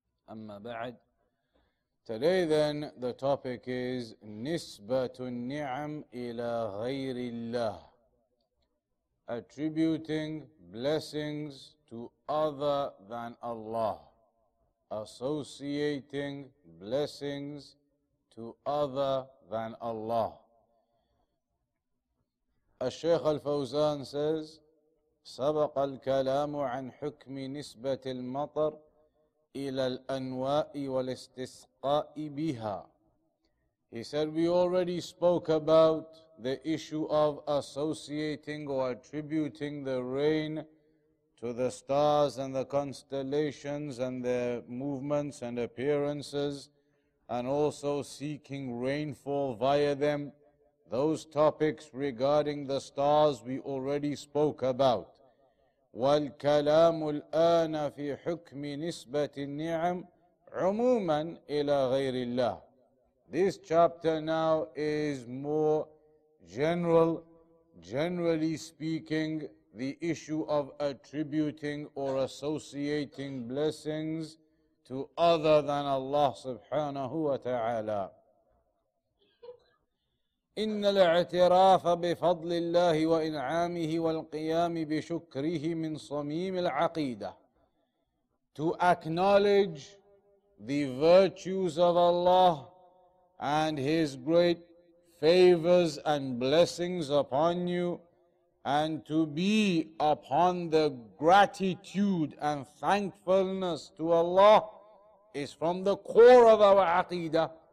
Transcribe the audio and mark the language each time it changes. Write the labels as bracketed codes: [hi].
[ar] أما بعد، [en] today then the topic is [ar] نسبة النعم إلى غير الله, [en] attributing blessings to other than Allah, associating blessings to other than Allah. [ar] الشيخ الفوزان [en] says, [ar] سبق الكلام عن حكم نسبة المطر إلى الأنواء والاستسقاء بها. [en] He said, we already spoke about the issue of associating or attributing the rain to the stars and the constellations and their movements and appearances, and also seeking rainfall via them. Those topics regarding the stars we already spoke about. [ar] والكلام الآن في حكم نسبة النعم عموما إلى غير الله. [en] This chapter now is more general, generally speaking, the issue of attributing or associating blessings to other than Allah سبحانه وتعالى. [ar] إن الاعتراف بفضل الله وإنعامه والقيام بشكره من صميم العقيدة. [en] To acknowledge the virtues of Allah and His great favors and blessings upon you, and to be upon the gratitude and thankfulness to Allah, is from the core of our aqidah.